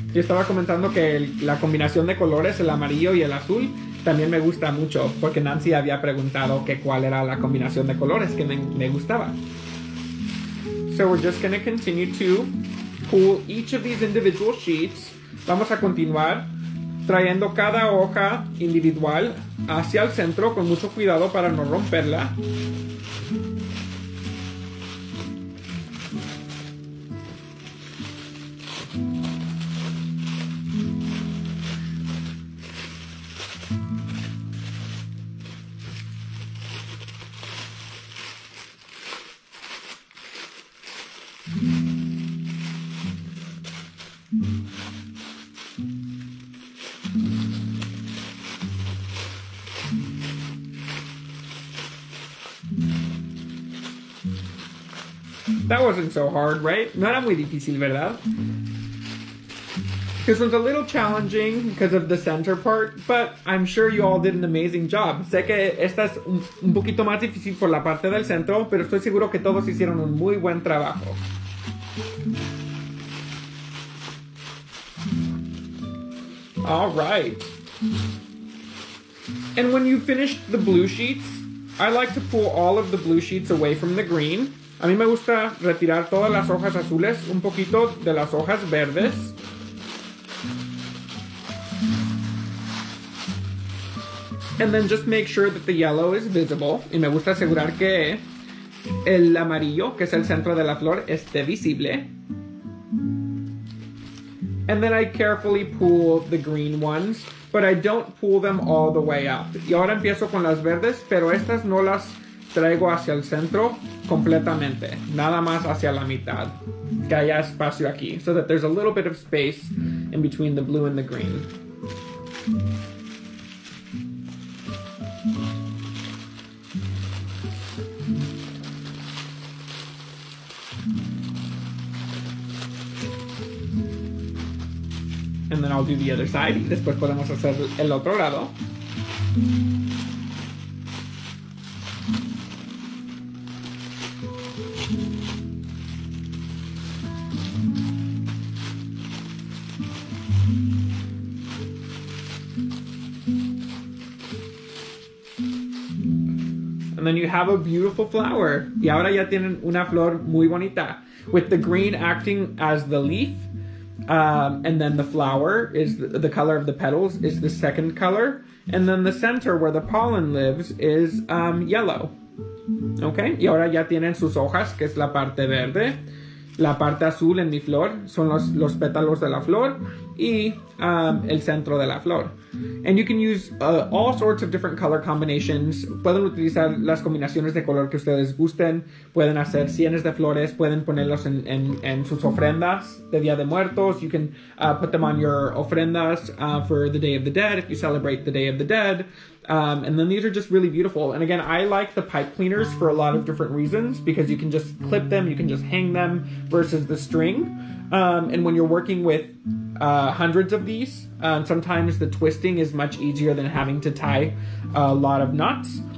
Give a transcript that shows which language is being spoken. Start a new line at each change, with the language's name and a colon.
Spanish: Yo estaba comentando que la combinación de colores, el amarillo y el azul, también me gusta mucho, porque Nancy había preguntado que cuál era la combinación de colores que me gustaba.
English: So we're just going to continue to pull each of these individual sheets.
Spanish: Vamos a continuar trayendo cada hoja individual hacia el centro con mucho cuidado para no romperla.
English: Thank you. That wasn't so hard, right?
Spanish: No era muy difícil, ¿verdad?
English: This one's a little challenging because of the center part, but I'm sure you all did an amazing job.
Spanish: Sé que esta es un poquito más difícil por la parte del centro, pero estoy seguro que todos hicieron un muy buen trabajo.
English: All right. And when you finish the blue sheets, I like to pull all of the blue sheets away from the green.
Spanish: A mí me gusta retirar todas las hojas azules un poquito de las hojas verdes.
English: And then just make sure that the yellow is visible.
Spanish: Y me gusta asegurar que el amarillo, que es el centro de la flor, esté visible.
English: And then I carefully pull the green ones, but I don't pull them all the way up.
Spanish: Y ahora empiezo con las verdes, pero estas no las traigo hacia el centro completamente. Nada más hacia la mitad. Que haya espacio aquí.
English: So that there's a little bit of space in between the blue and the green. And then I'll do the other side.
Spanish: Después podemos hacer el otro lado.
English: And then you have a beautiful flower.
Spanish: Y ahora ya tienen una flor muy bonita.
English: With the green acting as the leaf. And then the flower is the color of the petals is the second color. And then the center where the pollen lives is yellow. Okay.
Spanish: Y ahora ya tienen sus hojas, que es la parte verde. La parte azul en mi flor son los pétalos de la flor. Y el centro de la flor.
English: And you can use all sorts of different color combinations.
Spanish: Pueden utilizar las combinaciones de color que ustedes gusten. Pueden hacer cienes de flores. Pueden ponerlos en sus ofrendas de Día de Muertos.
English: You can put them on your ofrendas for the Day of the Dead, if you celebrate the Day of the Dead. And then these are just really beautiful. And again, I like the pipe cleaners for a lot of different reasons, because you can just clip them, you can just hang them versus the string. And when you're working with hundreds of these, sometimes the twisting is much easier than having to tie a lot of knots.